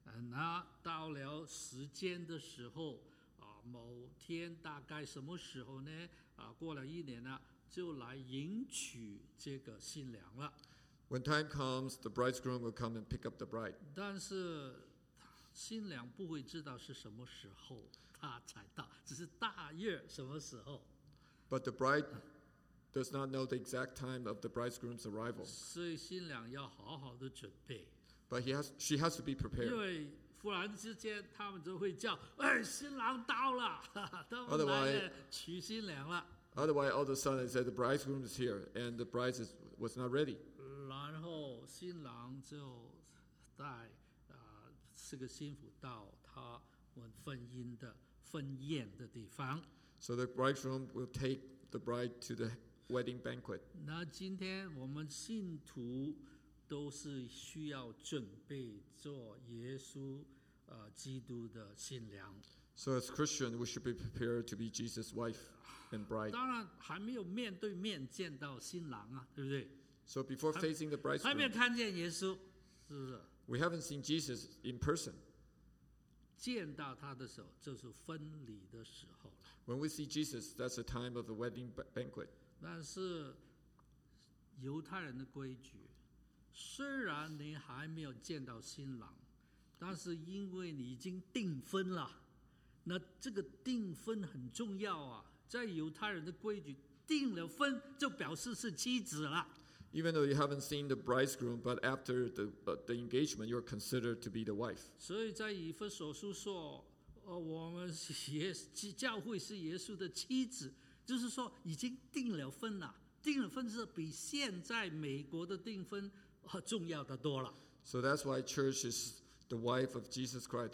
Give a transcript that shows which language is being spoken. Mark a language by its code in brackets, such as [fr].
[zh] 那到了时间的时候，某天大概什么时候呢？过了一年了，就来迎娶这个新娘了。 [en] When time comes, the bridegroom will come and pick up the bride. [zh] 但是新娘不会知道是什么时候她才到，只是大约什么时候。 [en] But the bride does not know the exact time of the bridegroom's arrival. [zh] 所以新娘要好好的准备。 [en] But she has to be prepared. [zh] 因为忽然之间他们就会叫，哎，新郎到了，他们来娶新娘了。 [en] Otherwise, all of a sudden, they say the bridegroom is here and the bride was not ready. [zh] 然后新郎就带这个新妇到他们婚宴的地方。 [en] So the bridegroom will take the bride to the wedding banquet. [zh] 那今天我们信徒都是需要准备做耶稣基督的新娘。 [en] So as Christian, we should be prepared to be Jesus' wife and bride. [zh] 当然还没有面对面见到新郎啊，对不对？ [en] So before facing the bridegroom, [zh] 还没看见耶稣，是不是？ [en] We haven't seen Jesus in person. [zh] 见到他的时候，就是婚礼的时候了。 [en] When we see Jesus, that's the time of the wedding banquet. [zh] 但是犹太人的规矩虽然你还没有见到新郎，但是因为你已经订婚了，那这个订婚很重要啊，在犹太人的规矩，订了婚就表示是妻子了。 [en] Even though you haven't seen the bridegroom, but after the engagement, you're considered to be the wife. [zh] 所以在以弗所书说，我们也教会是耶稣的妻子，就是说已经订了婚了。订了婚是比现在美国的订婚重要的多了。 [en] So that's why church is the wife of Jesus Christ.